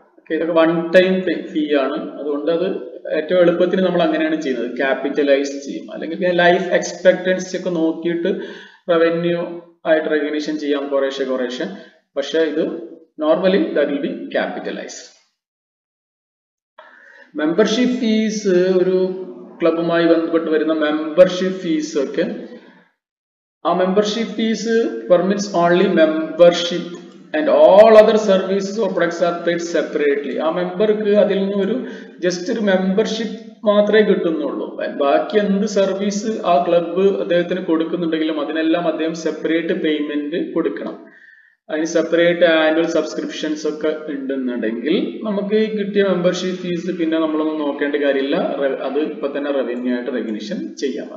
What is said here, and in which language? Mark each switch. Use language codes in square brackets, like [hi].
[ml] Okay, ഇതൊക്കെ one time ഫീ ആണ്, അതുകൊണ്ട് അത് ഏറ്റവും എളുപ്പത്തിന് നമ്മൾ അങ്ങനെയാണ് ചെയ്യുന്നത്, ക്യാപിറ്റലൈസ് ചെയ്യും. അല്ലെങ്കിൽ പിന്നെ ലൈഫ് എക്സ്പെക്ടൻസി ഒക്കെ നോക്കിയിട്ട് റവന്യൂ ആയിട്ട് റെക്കഗ്നിഷൻ ചെയ്യാം കുറേശ്ശെ കുറേശ്ശെ, പക്ഷേ ഇത് [en] normally that will be capitalized. Membership fees, [ml] ഒരു ക്ലബുമായി ബന്ധപ്പെട്ട് വരുന്ന [en] membership fees ഒക്കെ, ആ membership fees permits only membership and all other services or products are paid separately. [ml] ആ മെമ്പർക്ക് അതിൽ നിന്ന് ഒരു ജസ്റ്റ് ഒരു മെമ്പർഷിപ്പ് മാത്രമേ കിട്ടുന്നുള്ളൂ, ബാക്കി എന്ത് സർവീസ് ആ ക്ലബ് അദ്ദേഹത്തിന് കൊടുക്കുന്നുണ്ടെങ്കിലും അതിനെല്ലാം അദ്ദേഹം സെപ്പറേറ്റ് പേയ്മെന്റ് കൊടുക്കണം. അതിന് സെപ്പറേറ്റ് ആനുവൽ സബ്സ്ക്രിപ്ഷൻസ് ഒക്കെ ഉണ്ടെന്നുണ്ടെങ്കിൽ നമുക്ക് കിട്ടിയ മെമ്പർഷിപ്പ് ഫീസ് പിന്നെ നമ്മളൊന്നും നോക്കേണ്ട കാര്യമില്ല, അത് ഇപ്പൊ തന്നെ റവന്യൂ ആയിട്ട് റെക്കഗ്നിഷൻ ചെയ്യാം.